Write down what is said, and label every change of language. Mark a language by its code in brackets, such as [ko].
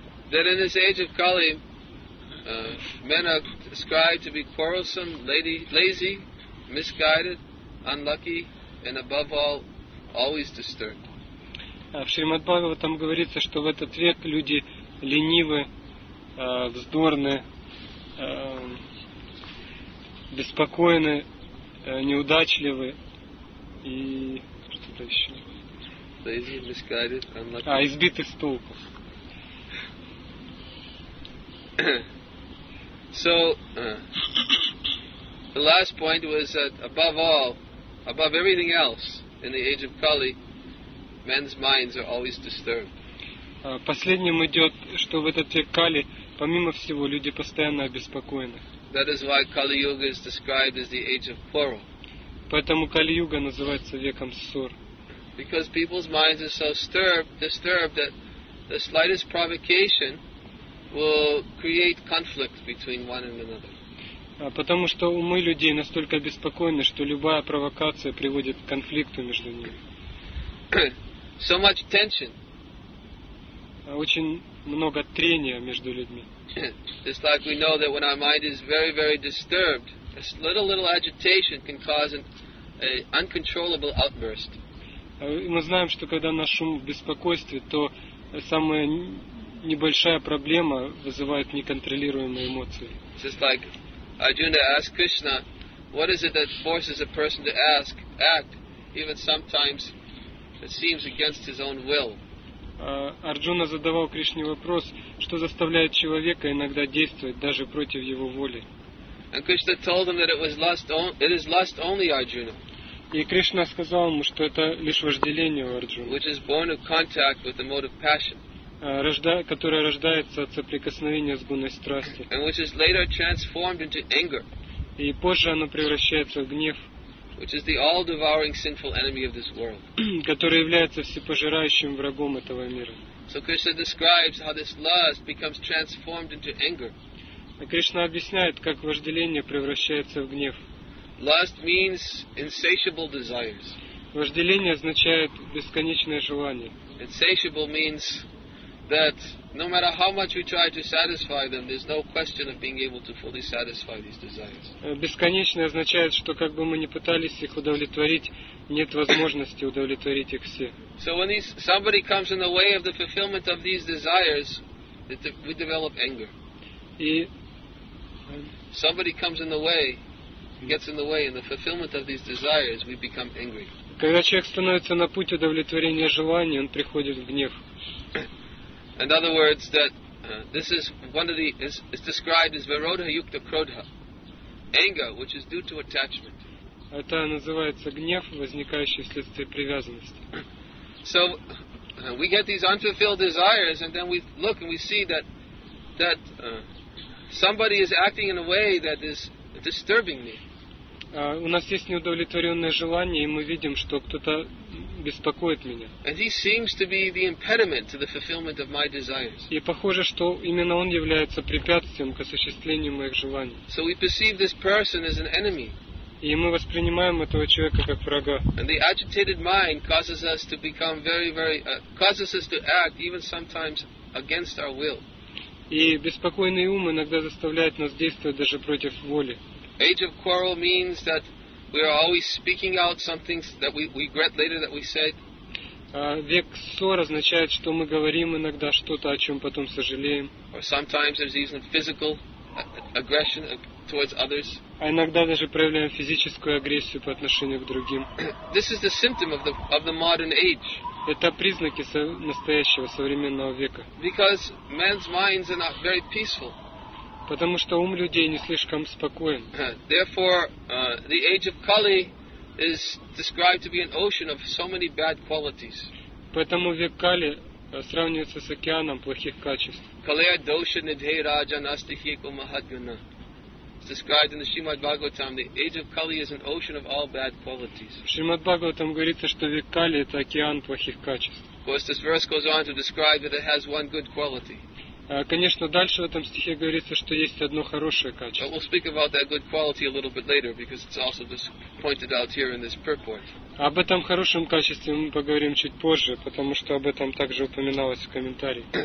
[en] That in this age of Kali, men are described to be quarrelsome, lazy, misguided, unlucky, and above all, always disturbed. [ru] В Шримад Бхагаватам там говорится, что в этот век люди ленивы, вздорны, беспокойны, неудачливы и что-то еще. [en] Lazy, misguided, unlucky. [ru] Избиты с толку. [en] So the last point was that above everything else in the age of Kali, men's minds are always disturbed. [ru] Последним идет, что в этот век Кали, помимо всего, люди постоянно обеспокоены. [en] That is why Kali Yuga is described as the age of quarrel. [ru] Поэтому Кали Юга называется веком ссор. [en] Because people's minds are so disturbed that the slightest provocation will create conflict between one and another. [ru] Потому что умы людей настолько беспокойны, что любая провокация приводит к конфликту между ними. [en] So much tension. [ru] Очень много трения между людьми. [en] It's like we know that when our mind is very, very disturbed, a little agitation can cause an uncontrollable outburst. [ru] Мы знаем, что когда наш ум в беспокойстве, то самое небольшая проблема вызывает неконтролируемые эмоции. [en] Just like Arjuna asked Krishna, what is it that forces a person to ask, act, even sometimes it seems against his own will? [ru] Арджуна задавал Кришне вопрос, что заставляет человека иногда действовать даже против его воли. [en] And Krishna told him that it is lust only, Arjuna. [ru] И Кришна сказал ему, что это лишь вожделение у Арджуны, [en] which is born of contact with the mode of passion. [ru] Которая рождается от соприкосновения с гуной страсти. [en] And which is later transformed into anger. [ru] И позже оно превращается в гнев. [en] Which is the all-devouring sinful enemy of this world. [ru] Который является всепожирающим врагом этого мира. [en] So Krishna describes how this lust becomes transformed into anger. [ru] Кришна объясняет, как вожделение превращается в гнев. [en] Lust means insatiable desires. [ru] Вожделение означает бесконечное желание. [en] Insatiable means that no matter how much we try to satisfy them, there's no question of being able to fully satisfy these desires. [ru] Бесконечное означает, что как бы мы ни пытались их удовлетворить, нет возможности удовлетворить их все. [en] So when somebody comes in the way of the fulfillment of these desires, we develop anger. [ru] И [en] somebody comes in the way, gets in the way in the fulfillment of these desires, we become angry. [ru] Когда человек становится на путь удовлетворения желаний, он приходит в гнев. [en] In other words, that this is one of the is described as [sa] virodha yukta krodha, [en] anger which is due to attachment. [ru] Это называется гнев, возникающий вследствие привязанности. [en] So we get these unfulfilled desires, and then we look and we see that somebody is acting in a way that is disturbing me. [ru] У нас есть неудовлетворенное желание, и мы видим, что кто-то беспокоит меня. [en] And he seems to be the impediment to the fulfillment of my desires. [ru] И похоже, что именно он является препятствием к осуществлению моих желаний. [en] So we perceive this person as an enemy. [ru] И мы воспринимаем этого человека как врага. [en] And the agitated mind causes us to become causes us to act even sometimes against our will. [ru] И беспокойный ум иногда заставляет нас действовать даже против воли. [en] Age of quarrel means that we are always speaking out some things that we regret later that we said. [ru] Век ссор означает, что мы говорим иногда что-то, о чем потом сожалеем. [en] Or sometimes there's even physical aggression towards others. [ru] А иногда даже проявляем физическую агрессию по отношению к другим. [en] This is the symptom of the modern age. [ru] Это признаки настоящего современного века. [en] Because men's minds are not very peaceful. [ru] Потому что ум людей не слишком спокоен. [en] Therefore, the age of Kali is described to be an ocean of so many bad qualities. [ru] Поэтому век Кали сравнивается с океаном плохих качеств. [sa] Kaliya dosha nidhay raja nastihi ko mahatguna. [en] It's described in the Srimad Bhagavatam, the age of Kali is an ocean of all bad qualities. [ru] В Шримад Бхагаватам говорится, что век Кали это океан плохих качеств. [en] Of course, this verse goes on to describe that it has one good quality. [ru] Конечно, дальше в этом стихе говорится, что есть одно хорошее качество. [en] We'll speak about that good quality a little bit later, because it's also pointed out here in this purport. [ru] Об этом хорошем качестве мы поговорим чуть позже, потому что об этом также упоминалось в комментарии.